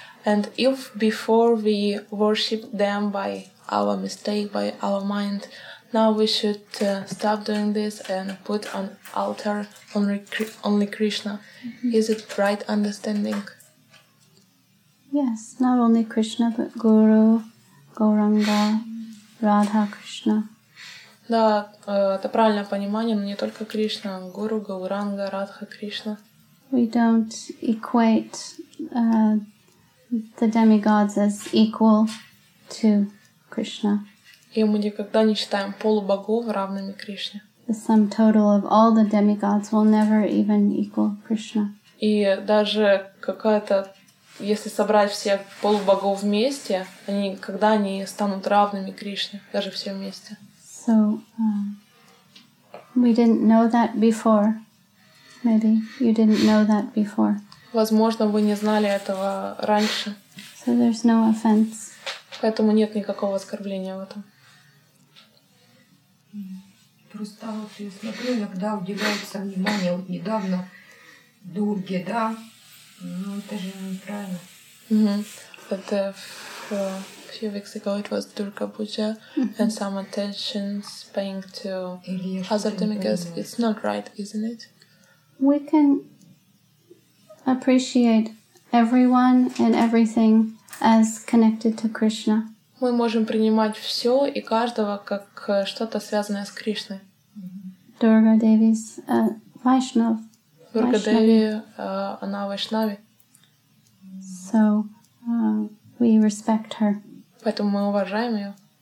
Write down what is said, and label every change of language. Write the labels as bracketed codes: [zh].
[en] And if before we worship them by our mistake, by our mind, now we should stop doing this and put on altar only Krishna. Is it right understanding? Yes, not only Krishna, but Guru, Gauranga, Radha Krishna. [ru] Да, это правильное понимание, но не только Кришна, Гуру, Гауранга, Радха Кришна. [en] We don't equate the demigods as equal to Krishna. [ru] И мы никогда не считаем полубогов равными Кришне. [en] The sum total of all the demigods will never even equal Krishna. [ru] И даже какая-то, если собрать всех полубогов вместе, они никогда не станут равными Кришне, даже все вместе. [en] So we didn't know that before. Maybe you didn't know that before. [ru] Возможно, вы не знали этого раньше. [en] So there's no offense. [ru] Поэтому нет никакого оскорбления в этом. Просто вот я смотрю, иногда уделяется внимание, вот недавно Дурге, да, ну это же неправильно. [en] But a few weeks ago it was Durga Puja, and some attention paying to other demigods, it's not right, isn't it? We can appreciate everyone and everything as connected to Krishna. [ru] Мы можем принимать все и каждого как что-то связанное с Кришной. [en] Durga Devi's Vaishnav. [ru] Durga Devi, она Вайшнави. [en] So we respect her. [ru] Поэтому мы уважаем ее.